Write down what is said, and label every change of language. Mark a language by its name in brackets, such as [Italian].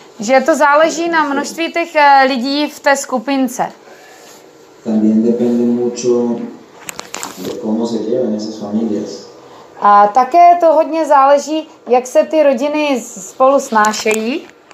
[Czech] Že to záleží na množství těch lidí v té skupince. [Spanish] También depende mucho de cómo se llevan esas familias. [Czech] A také to hodně záleží, jak se ty rodiny spolu snášejí.